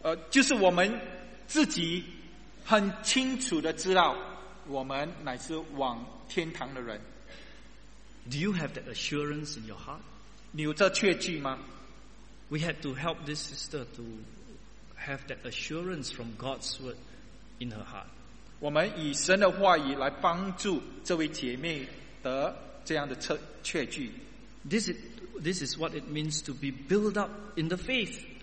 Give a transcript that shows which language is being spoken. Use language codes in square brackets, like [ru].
[zh] 就是我们自己很清楚的知道，我们乃是往天堂的人。 [en] Do you have that assurance in your heart? [zh] 你有这确据吗？ [en] We had to help this sister to have that assurance from God's word in her heart. [zh] 我们以神的话语来帮助这位姐妹得这样的确据。 [en] This is what it means to be built up in the faith.